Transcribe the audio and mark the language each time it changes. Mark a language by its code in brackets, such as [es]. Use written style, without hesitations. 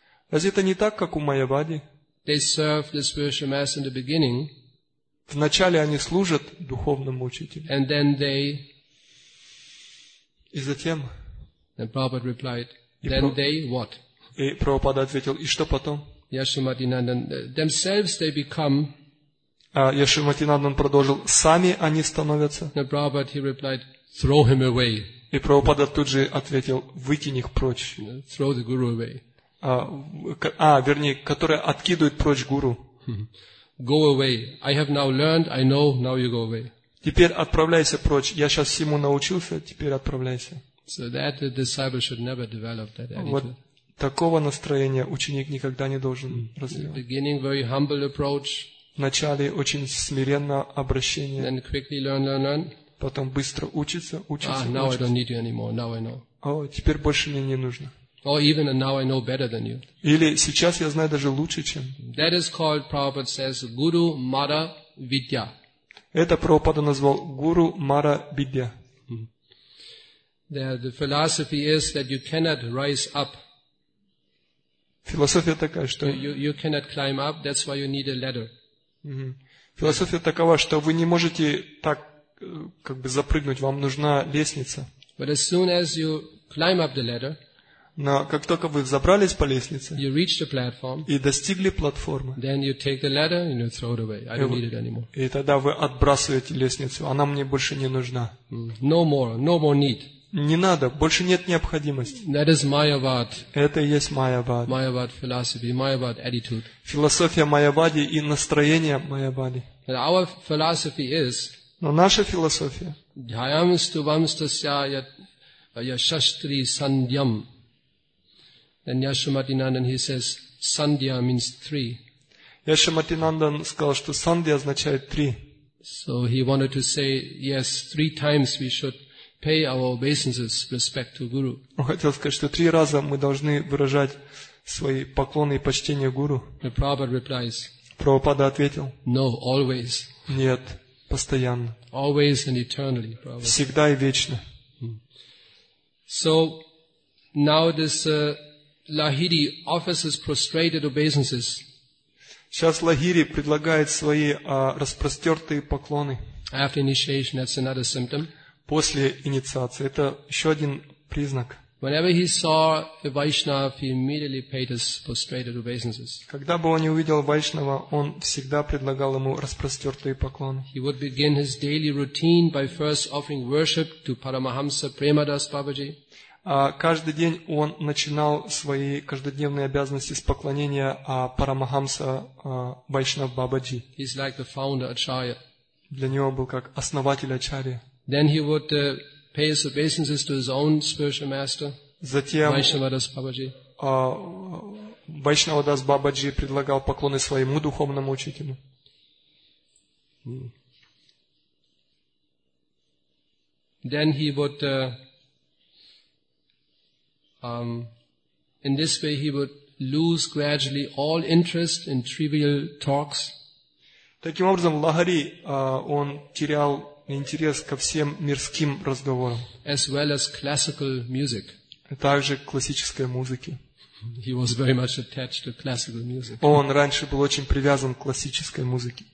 [ru] Разве это не так, как у Майявади? [en] They serve the spiritual master in the beginning. [ru] Вначале они служат духовному учителю. [en] And then they. [ru] И затем. [en] Then Prabhupada replied. Then they what? [ru] И Прабхупада ответил. И что потом? [en] Яшамати Нандан themselves they become. [ru] Яшамати Нандан продолжил. Сами они становятся. [en] And Prabhupada he replied. Throw him away. [ru] И Прабхупада тут же ответил. Выкинь их прочь. [en] Throw the guru away. [ru] Вернее, которая откидывает прочь гуру. [en] Go away. I have now learned. I know. Now you go away. [ru] Теперь отправляйся прочь. Я сейчас всему научился. Теперь отправляйся. [en] So that the disciple should never develop that attitude. [ru] Вот такого настроения ученик никогда не должен развивать. [en] Beginning very humble approach. [ru] Вначале очень смиренное обращение. [en] Then quickly learn, learn, learn. [ru] Потом быстро учиться, учиться, учиться. [en] Now I don't need you anymore. Now I know. [ru] Теперь больше мне не нужно. [en] Or even now I know better than you. [ru] Или сейчас я знаю даже лучше, чем. [en] That is called, Prabhupada says, Guru Mara Vidya. [ru] Это Прабхупада назвал Guru Mara Vidya. [en] The philosophy is that you cannot rise up. [ru] Философия такая, что. [en] You cannot climb up. That's why you need a ladder. [ru] Философия такова, что вы не можете так как бы запрыгнуть. Вам нужна лестница. [en] But as soon as you climb up the ladder. [ru] Но как только вы забрались по лестнице [en] you reach the platform, [ru] и достигли платформы, [en] then you take the ladder and you throw it away. I don't need it anymore. [ru] И тогда вы отбрасываете лестницу. Она мне больше не нужна. [en] No more. No more need. [ru] Не надо. Больше нет необходимости. [en] That is Mayavad. [ru] Это и есть Mayavad. [en] Mayavad philosophy. Mayavad attitude. [ru] Философия Mayavadi и настроение Mayavadi. [en] Our philosophy is. [ru] Но наша философия. [sa] Dhyam stuvam stasya yashastri sandhyam. [en] Then Яшамати Нандан, he says, Sandhya means three. [ru] Яшамати Нандан сказал, что Sandhya означает три. [en] So he wanted to say, yes, three times we should pay our obeisances, respect to Guru. [ru] Он хотел сказать, что три раза мы должны выражать свои поклоны и почтение Гуру. [en] The Prabhupada replies. [ru] Прабхупада ответил. [en] No, always. [ru] Нет, постоянно. [en] Always and eternally, Prabhupada. [ru] Всегда и вечно. [en] So, now this... Lahiri offers his prostrated obeisances. [ru] Сейчас Лахири предлагает свои распростертые поклоны. [en] After initiation, that's another symptom. [ru] После инициации это еще один признак. [en] Whenever he saw a Vaishnav, he immediately paid his prostrated obeisances. [ru] Когда бы он увидел Вайшнава, он всегда предлагал ему распростертые поклоны. [en] He would begin his daily routine by first offering worship to Paramahamsa Premadas Babaji. [ru] Каждый день он начинал свои каждодневные обязанности с поклонения Парамахамса Вайшнав Бабаджи. [en] He's like the founder Acharya. [ru] Для него был как основатель Ачарья. [en] Then he would pay his obeisances to his own spiritual master. [ru] Затем Вайшнавадас Бабаджи. Вайшнавадас Бабаджи предлагал поклоны своему духовному учителю. [en] Then he would in this way, he would lose gradually all interest in trivial talks. [ru] Таким образом, Лахари он терял интерес ко всем мирским разговорам. [en] As well as classical music. [ru] Также классической музыке. [en] He was very much attached to classical music. [ru] Он раньше был очень привязан к классической музыке.